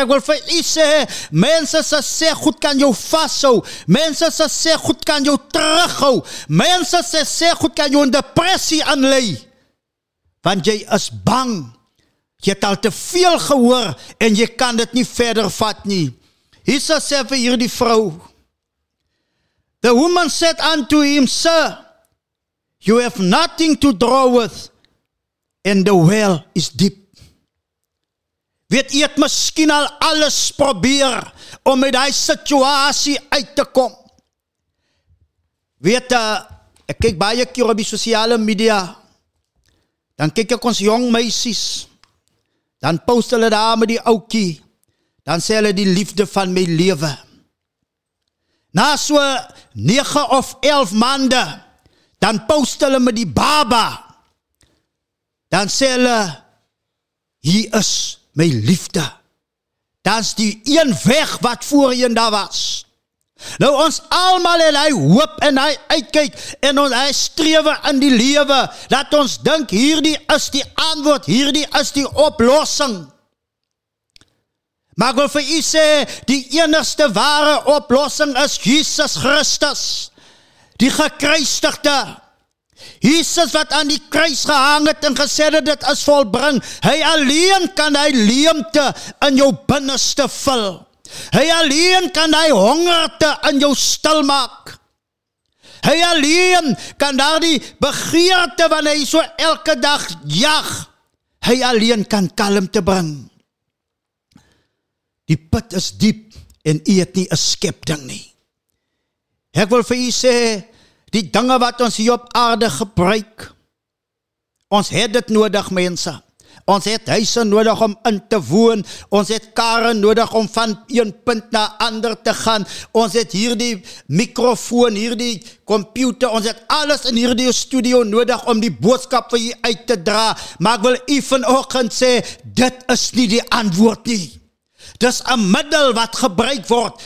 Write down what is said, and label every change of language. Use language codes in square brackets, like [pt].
[af] Ek wil vir u sê, mense se seggoed kan jou vashou. Mense se seggoed kan jou terughou. Mense se seggoed kan jou in depressie aanlei. Want jy is bang. Jy het al te veel gehoor en jy kan dit nie verder vat nie. Jesus sê vir hier die vrou, [en] the woman said unto him, sir, you have nothing to draw with, and the well is deep. [af] Weet jy, het miskien al alles probeer om met die situasie uit te kom. Weet, ek kyk baie keer op die sociale media, dan kyk ek ons jong meisies, dan post hulle daar met die oukie, dan sê hulle die liefde van my lewe. Na so 9 of 11 maande, dan post hulle met die baba, dan sê hulle, hier is my liefde. Dan is die een weg wat voorheen daar was. Nou ons allemaal het hy hoop en hy uitkyk en ons hy strewe in die lewe, dat ons dink, hierdie is die antwoord, hierdie is die oplossing. Maar ek wil vir u sê, die enigste ware oplossing is Jesus Christus, die gekruisigde. Jesus wat aan die kruis gehang het en gesê het, dit is volbring. Hy alleen kan hy leemte in jou binneste vul. Hy alleen kan hy hongerte in jou stil maak. Hy alleen kan daar die begeerte wat hy so elke dag jag, hy alleen kan kalmte bring. Die put is diep en jy het nie 'n skepding nie. Ek wil vir jy sê, die dinge wat ons hier op aarde gebruik, ons het dit nodig, mense. Ons het huise nodig om in te woon. Ons het kare nodig om van een punt na ander te gaan. Ons het hierdie microfoon, hierdie computer, ons het alles in hierdie studio nodig om die boodskap vir jy uit te dra. Maar ek wil jy vanochtend sê, dit is nie die antwoord nie. Dit is een middel wat gebruik word.